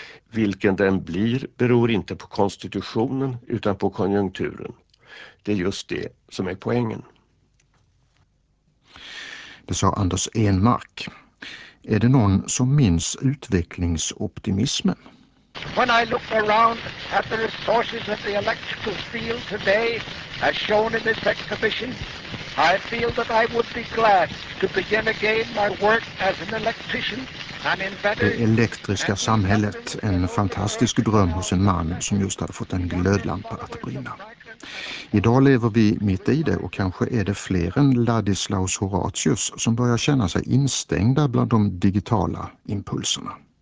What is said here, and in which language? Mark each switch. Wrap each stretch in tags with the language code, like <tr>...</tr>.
<sv>Vilken den blir beror inte på konstitutionen utan på konjunkturen. Det är just det som är poängen. Det sa Anders Enmark. Är det någon som minns utvecklingsoptimismen?</sv> <en>When I look around at the resources of the electrical field today, as shown in this exhibition, I feel that I would be glad to begin again my work as an electrician.</en> <sv>Det elektriska samhället, en fantastisk dröm hos en man som just hade fått en glödlampa att brinna. Idag lever vi mitt i det och kanske är det fler än Ladislaus Horatius som börjar känna sig instängda bland de digitala impulserna.</sv>